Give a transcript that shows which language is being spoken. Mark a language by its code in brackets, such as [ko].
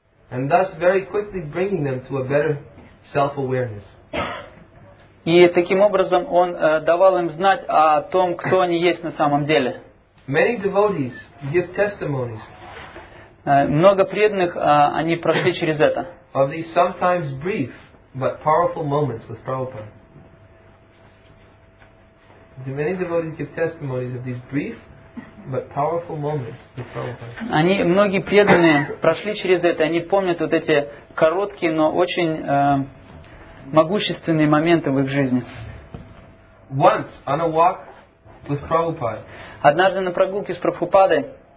[en] And thus very quickly bringing them to a better self-awareness. [ru] И таким образом он давал им знать о том, кто они есть на самом деле. [en] Many devotees give testimonies. [ru] Много преданных они прошли через это. [en] Of these sometimes brief but powerful moments with Prabhupada. Many devotees give testimonies of these brief but powerful moments with Prabhupada. [ru] Они многие преданные прошли через это. Они помнят вот эти короткие, но очень могущественные моменты в их жизни. [en] Once on a walk with Prabhupada. [ru] Однажды на прогулке с Прабхупадой.